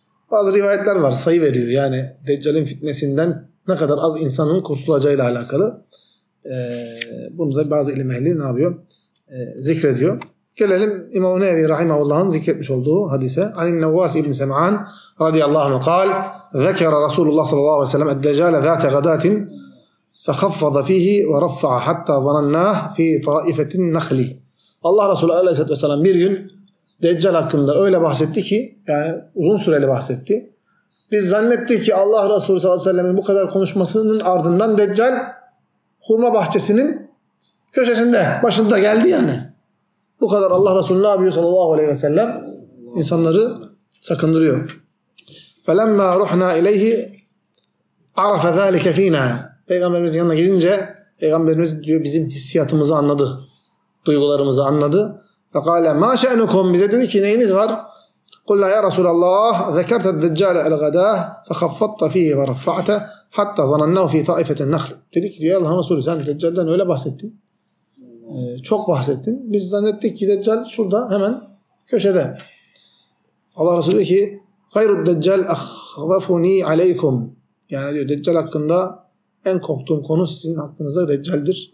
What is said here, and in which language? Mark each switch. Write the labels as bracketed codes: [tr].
[tr] Bazı rivayetler var, sayı veriyor. Yani Deccal'in fitnesinden ne kadar az insanın kurtulacağıyla alakalı. Bunu da bazı ilim ehli ne yapıyor? Zikrediyor. Gelelim İmam-ı Nevi Rahimahullah'ın zikretmiş olduğu hadise. [ar] An-Nawas İbn Sem'an radıyallahu anh قال ذكر رسول الله صلى الله عليه وسلم الدجال ذات غداة فخفض فيه ورفع حتى ظنناه في طائفة النخل. [tr] Allah Resulü Aleyhissalatu Vesselam bir gün Deccal hakkında öyle bahsetti ki, yani uzun süreli bahsetti. Biz zannettik ki Allah Resulü Sallallahu Aleyhi ve Sellem'in bu kadar konuşmasının ardından Deccal hurma bahçesinin köşesinde başında geldi yani. Bu kadar Allah Resulü ne yapıyor sallallahu aleyhi ve sellem? İnsanları sakındırıyor. [ar] فَلَمَّا رُحْنَا اِلَيْهِ عَرَفَ ذَٰلِكَ ف۪ينَا [tr] Peygamberimizin yanına gidince Peygamberimiz diyor bizim hissiyatımızı anladı. Duygularımızı anladı. [ar] فَقَالَ مَا شَأْنُكُمْ [tr] Bize dedi ki neyiniz var? [ar] قلنا يا رسول الله ذكرت الدجال الغداة فخفضت فيه ورفعته حتى ظننه في طائفة النخل. [tr] Dedik ki ya Allah'ın Resulü sen Deccal'dan öyle bahsettin. Çok bahsettin. Biz zannettik ki Deccal şurada hemen köşede. Allah Resulü diyor ki [ar] hayru Deccal ahvafuni aleykum. [tr] Yani diyor Deccal hakkında en korktuğum konu sizin hakkınızda Deccal'dir.